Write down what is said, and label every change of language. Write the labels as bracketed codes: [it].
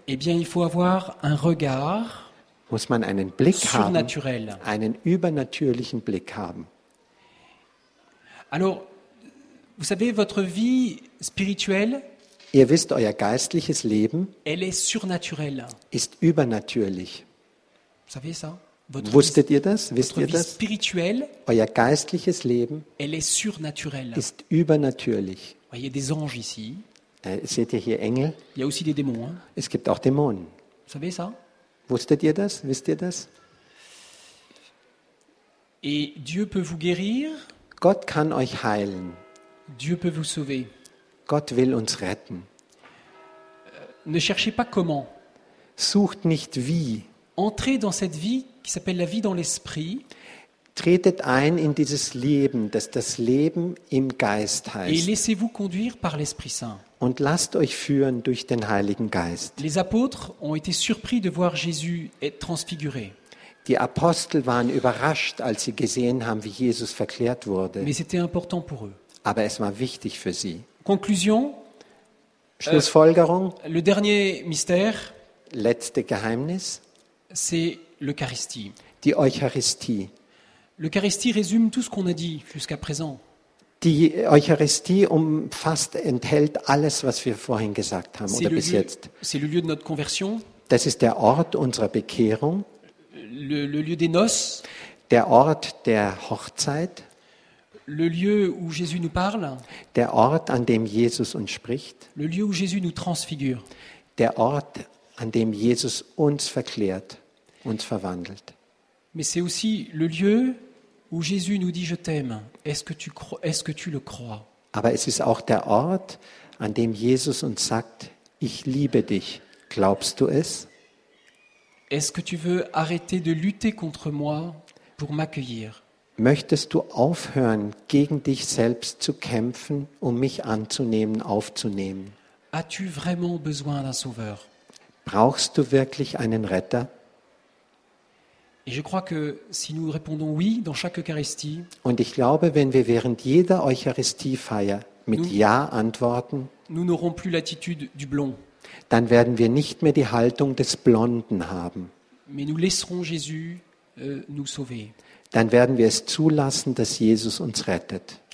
[fr] eh bien, il faut avoir un regard, [de] muss man einen Blick [fr] surnaturel. [de] Haben, einen übernatürlichen Blick haben. [fr] Alors, vous savez, votre vie spirituelle, [de] ihr wisst, euer geistliches Leben, [fr] elle est surnaturelle. [de] Ist übernatürlich. [fr] Vous savez ça? Votre [de] Wusstet ihr das? Wisst [fr] votre [de] ihr das? [fr] Spirituelle, [de] euer geistliches Leben [fr] elle est surnaturelle. [de] Ist übernatürlich. [fr] Il y a des anges ici. [de] Seht ihr hier Engel? [fr] Il y a aussi des démons, hein? [de] Es gibt auch Dämonen. [fr] Vous savez ça? [de] Wusstet ihr das? Wisst ihr das? [fr] Et Dieu peut vous guérir. [de] Gott kann euch heilen. [fr] Dieu peut vous sauver. [de] Gott will uns retten. [fr] Ne cherchez pas comment. [de] Sucht nicht wie. [fr] Entrez dans cette vie qui s'appelle la vie dans l'esprit. [de] Tretet ein in dieses Leben, das Leben im Geist heißt. [fr] Et laissez-vous conduire par l'Esprit Saint. [de] Und lasst euch führen durch den Heiligen Geist. [fr] Les apôtres ont été surpris de voir Jésus être transfiguré. [de] Die Apostel waren überrascht, als sie gesehen haben, wie Jesus verklärt wurde. [fr] Mais c'était important pour eux. [de] Aber es war wichtig für sie. [fr] Conclusion. [de] Schlussfolgerung. [fr] Le dernier mystère. [de] Letzte Geheimnis. [fr] C'est l'Eucharistie. [de] Die Eucharistie. [fr] L'Eucharistie résume tout ce qu'on a dit jusqu'à présent. [de] Die Eucharistie umfasst, enthält alles, was wir vorhin gesagt haben [fr] c'est [de] oder bis jetzt. [fr] C'est le lieu de notre conversion. [de] Das ist der Ort unserer Bekehrung. [fr] Le lieu des noces. [de] Der Ort der Hochzeit. [fr] Le lieu où Jésus nous parle. [de] Der Ort, an dem Jesus uns spricht. [fr] Le lieu où Jésus nous transfigure. [de] Der Ort, an dem Jesus uns verklärt, uns verwandelt. [fr] Mais c'est aussi le lieu où Jésus nous dit je t'aime. Est-ce que tu le crois? [de] Aber es ist auch der Ort, an dem Jesus uns sagt, ich liebe dich. Glaubst du es? [fr] Est-ce que tu veux arrêter de lutter contre moi pour m'accueillir? [de] Möchtest du aufhören, gegen dich selbst zu kämpfen, um mich anzunehmen, aufzunehmen? [fr] As-tu vraiment besoin d'un sauveur? [de] Brauchst du wirklich einen Retter? [fr] Et je crois que si nous répondons oui dans chaque Eucharistie, [de] und ich glaube, wenn wir während jeder Eucharistiefeier mit nous, ja antworten, [fr] nous n'aurons plus l'attitude du blond. [de] Dann werden wir nicht mehr die Haltung des Blonden haben. [fr] Mais nous laisserons Jésus nous sauver. [de] Dann werden wir es zulassen, dass Jesus uns rettet.